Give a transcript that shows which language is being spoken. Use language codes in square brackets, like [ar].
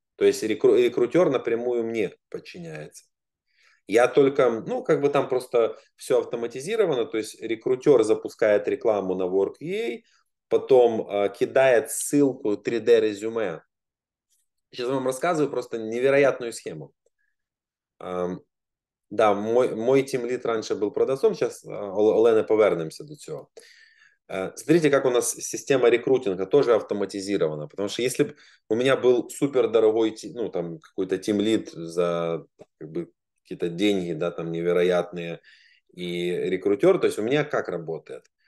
[ru] То есть рекрутер напрямую мне подчиняется. Я только, ну, как бы там просто все автоматизировано. То есть рекрутер запускает рекламу на WorkEA, потом кидает ссылку 3D-резюме. Сейчас вам рассказываю просто невероятную схему. Да, мой тимлид раньше был продавцом. [uk] Сейчас, Олена, повернемся до цього. [ru] Смотрите, как у нас система рекрутинга тоже автоматизирована. Потому что если бы у меня был супер дорогой, ну, там, какой-то тимлид за как бы, какие-то деньги, да, там, невероятные, и рекрутер, то есть у меня как работает?